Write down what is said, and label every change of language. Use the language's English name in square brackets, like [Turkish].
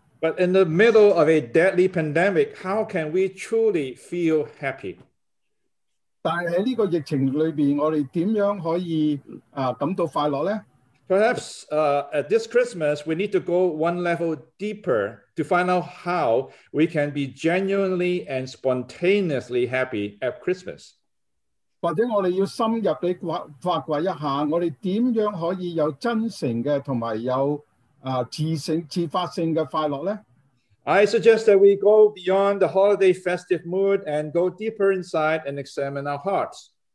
[English] But in the middle of a deadly pandemic, how can we truly feel happy? [Chinese] 但在这个疫情里面,我们怎样可以, 感到快乐呢? [English] Perhaps at this Christmas, we need to go one level deeper to find out how we can be genuinely and spontaneously happy at Christmas. [Chinese] 或者我们要深入地发掘一下,我们怎样可以有真诚的和有 自发性的快乐呢? [English] I suggest that we go beyond the holiday festive mood and go deeper inside and examine our hearts.